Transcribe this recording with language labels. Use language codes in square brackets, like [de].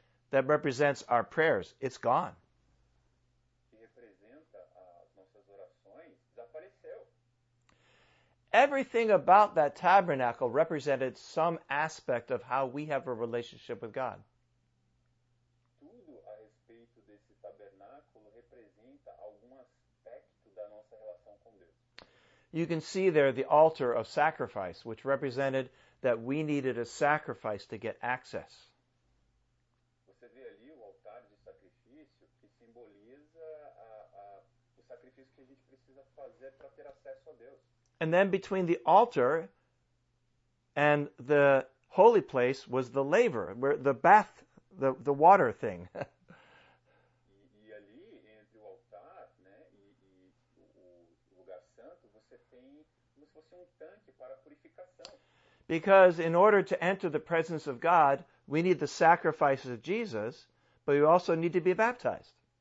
[en] That represents our prayers. It's gone. [pt] Que representa as nossas orações, desapareceu. [en] Everything about that tabernacle represented some aspect of how we have a relationship with God. [pt] Tudo a respeito desse tabernáculo representa algum aspecto da nossa relação com Deus. [en] You can see there the altar of sacrifice, which represented that we needed a sacrifice to get access. [pt] Você vê ali o altar de sacrifício que simboliza o sacrifício que a gente precisa fazer para ter acesso a Deus. [en] And then between the altar and the holy place was the laver, where the bath, the water thing. [pt] E ali, entre o altar, né, e o lugar santo, você tem como se fosse tanque para purificação. [en] Because in order to enter the presence of God, we need the sacrifices of Jesus, but we also need to be baptized.